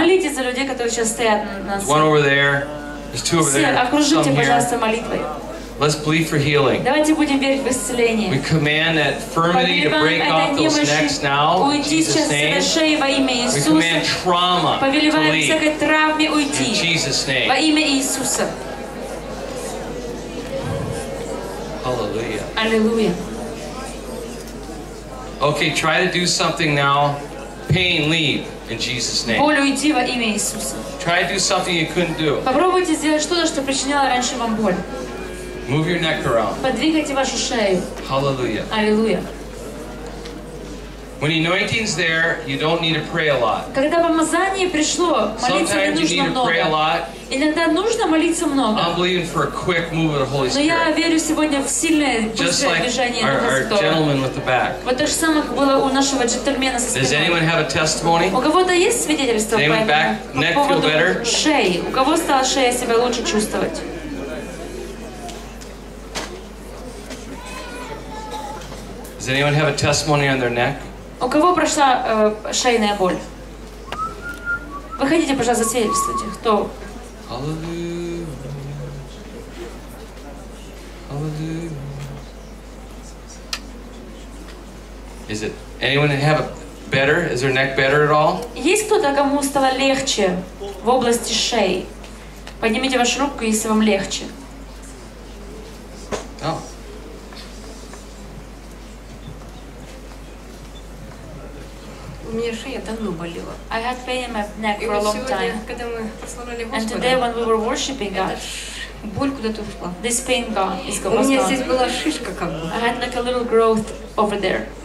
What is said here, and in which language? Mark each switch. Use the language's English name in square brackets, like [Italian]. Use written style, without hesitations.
[Ukrainian] Молитесь за людей, які зараз стоять на сцені. [English] One over there. There's two over there. [Ukrainian] Все, окружіть, будь ласка, молитвою. [English] Let's believe for healing. [Ukrainian] Давайте будемо вірити в исцеление. [English] We command that infirmity to break off those necks now. [Russian] Уйти [Ukrainian] зі [Russian] шеї во имя Иисуса. [English] We command trauma. [Russian] Повелеваем всякой травме уйти. [English] In Jesus name. [Russian] Во имя Иисуса. [English] Hallelujah. [Russian] Аллилуйя. [English] Okay, try to do something now. Pain leave in Jesus name. [Russian] Боль уйди во имя Иисуса. [English] Try to do something you couldn't do. [Russian] Попробуйте сделать что-то, что причиняло раньше вам боль. [English] Move your neck around. [Russian] Подвигайте вашу шею. [English] Hallelujah. [Russian] Аллилуйя. [English] When anointing's there, you don't need to pray a lot. [Russian] Когда помазание пришло, молиться не нужно много. Иногда нужно молиться много. [English] I'm believing for a quick move of the Holy Spirit. [Russian] Но я верю сегодня в сильное быстрое движение Духа Святого. [English] Just like our gentleman with the back. [Russian] Вот то же самое, как было у нашего джентльмена со спиной. [English] Does anyone have a testimony? [Russian] У кого-то есть свидетельство? [English] Does anyone back neck feel better? [Russian] Шеи. У кого стала шея себя лучше чувствовать? [English] Does anyone have a testimony on their neck? [Russian] У кого прошла шейная боль? Выходите, пожалуйста, свидетельствуйте. Кто? [English] Hallelujah. Hallelujah. Is it anyone have a better? Is their neck better at all? [Russian] Есть кто-то, кому стало легче в области шеи? Поднимите вашу руку, если вам легче. У меня шея давно болела. [English] I had pain in my neck for a long time. [Russian] Когда мы прославляли Господа. [English] And today when we were worshiping God. [Russian] Боль куда-то ушла. [English] This pain gone. [Russian] У меня здесь была шишка как бы. [English] I had like a little growth over there.